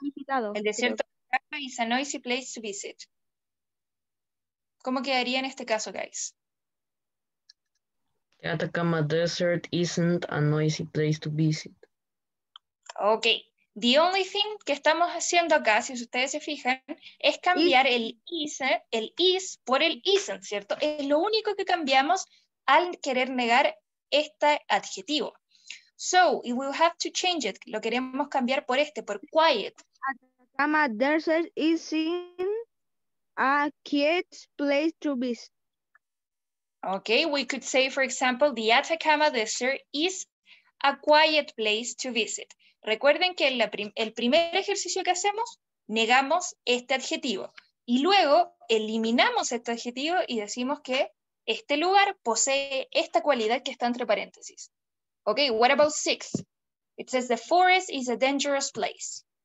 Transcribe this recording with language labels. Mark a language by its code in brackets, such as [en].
[es] El desierto [en] is a noisy place to visit. [es] ¿Cómo quedaría en este caso, guys? [en] The Atacama Desert isn't a noisy place to visit. [es] Ok. [en] The only thing [es] que estamos haciendo acá, si ustedes se fijan, es cambiar el is por el isn't, ¿cierto? Es lo único que cambiamos al querer negar este adjetivo. [en] So, we will have to change it. [es] Lo queremos cambiar por este, por quiet. [en] Atacama Desert isn't a quiet place to visit. Okay, we could say, for example, the Atacama Desert is a quiet place to visit. [es] Recuerden que el primer ejercicio que hacemos, negamos este adjetivo. Y luego eliminamos este adjetivo y decimos que este lugar posee esta cualidad que está entre paréntesis. [en] Ok, what about six? It says the forest is a dangerous place.